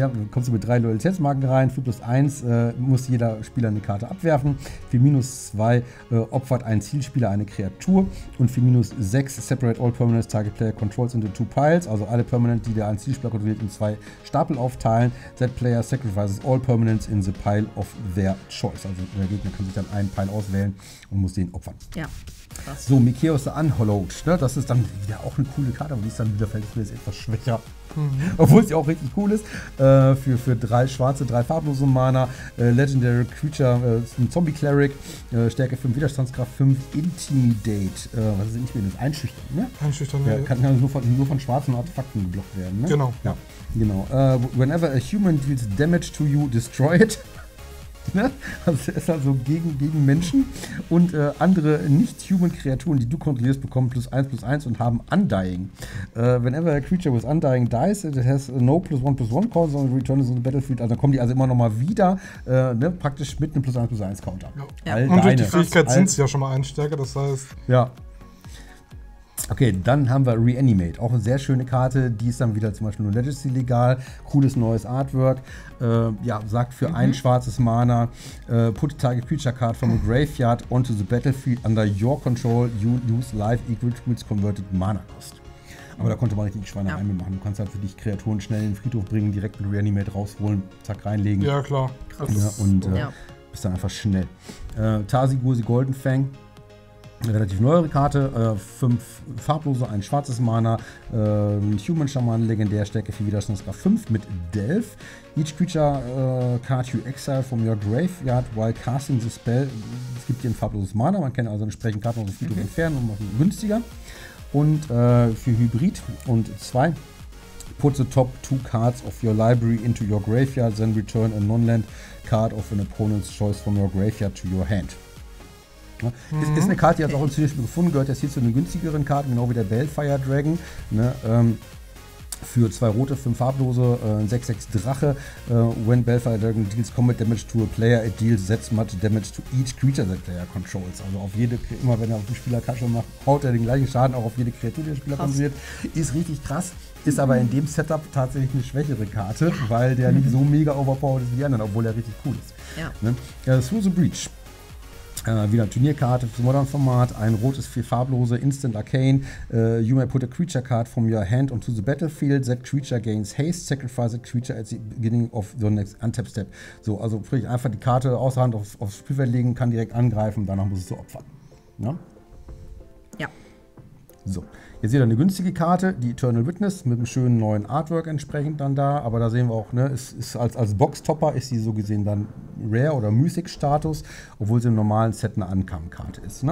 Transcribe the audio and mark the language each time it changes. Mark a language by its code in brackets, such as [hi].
[de] Kommst du mit 3 Loyalitätsmarken rein, 4+1 muss jeder Spieler eine Karte abwerfen. Für -2 opfert ein Zielspieler eine Kreatur und für -6 [en] separate all permanent target player controls into 2 piles, [de] also alle permanent, die der einen Zielspieler kontrolliert, in 2 Stapel aufteilen. [en] That player sacrifices all permanents in the pile of their choice. [de] Also der Gegner kann sich dann einen Pile auswählen und muss den opfern. Ja, krass. So, Mikeos the Unhallowed, ne? Das ist dann wieder auch eine coole Karte, aber die ist dann wieder verhältnismäßig etwas schwächer. Obwohl sie auch richtig cool ist. Für 3 schwarze, 3 farblose Mana, Legendary Creature, ein Zombie-Cleric, Stärke 5, Widerstandskraft 5, Intimidate. Was ist Intimidate? Das ist Einschüchtern, ne? Einschüchtern, ja. Kann nur von schwarzen Artefakten geblockt werden, ne? Genau. Ja, genau. [en] Whenever a human deals damage to you, destroy it. [de] Also es ist halt so gegen Menschen und andere Nicht-Human-Kreaturen, die du kontrollierst, bekommen +1/+1 und haben Undying. [en] Whenever a creature with Undying dies, it has no +1/+1 counter and returns on the battlefield. [de] Also dann kommen die also immer nochmal wieder, praktisch mit einem +1/+1 counter. Ja. Und deine, durch die Fähigkeit sind sie ja schon mal eins stärker, das heißt... Ja. Okay, dann haben wir Reanimate, auch eine sehr schöne Karte, die ist dann wieder zum Beispiel nur Legacy legal, cooles neues Artwork, ja, sagt für ein schwarzes Mana, [en] put a target creature card from a graveyard onto the battlefield under your control, you lose life equal to its converted Mana cost. [de] Aber da konnte man richtig Schweinereien mitmachen, du kannst halt für dich Kreaturen schnell in den Friedhof bringen, direkt mit Reanimate rausholen, zack, reinlegen. Ja, klar. Krass. Ja, und bist dann einfach schnell. Tarsigurzi Golden Fang. Eine relativ neuere Karte, 5 farblose, ein schwarzes Mana, Human Shaman, legendär, Stärke, 4 Widerstandskraft, 5 mit Delve. [en] Each creature card you exile from your graveyard while casting the spell. [de] Es gibt hier ein farbloses Mana, man kann also entsprechend Karten aus dem Friedhof entfernen und machen günstiger. Und für Hybrid und 2, [en] put the top 2 cards of your library into your graveyard, then return a non-land card of an opponent's choice from your graveyard to your hand. [de] Ne? Ist eine Karte, die hat auch inzwischen schon gefunden, gehört jetzt hier zu den günstigeren Karten, genau wie der Balefire Dragon. Ne? Für 2 rote, 5 farblose, 6/6 Drache. [en] When Balefire Dragon deals combat damage to a player, it deals that much damage to each creature that player controls. [de] Also auf jede, immer wenn er auf die Spielerkasche macht, haut er den gleichen Schaden auch auf jede Kreatur, die der Spieler kontrolliert. Ist richtig krass, ist aber in dem Setup tatsächlich eine schwächere Karte, weil der nicht so mega overpowered ist wie die anderen, obwohl er richtig cool ist. Ja. Ne? Through the Breach. Wieder eine Turnierkarte fürs Modern-Format, ein rotes, 4 farblose, Instant Arcane. [en] You may put a creature card from your hand onto the battlefield. That creature gains haste, sacrifice that creature at the beginning of the next untap step. [de] So, also sprich, einfach die Karte außer Hand aufs Spielfeld legen, kann direkt angreifen, danach muss es so opfern. Ja? Ja. So, jetzt wieder eine günstige Karte, die Eternal Witness, mit einem schönen neuen Artwork entsprechend dann da. Aber da sehen wir auch, ne, ist als Boxtopper ist sie so gesehen dann Rare oder Mythic-Status, obwohl sie im normalen Set eine Uncommon-Karte ist. Ne?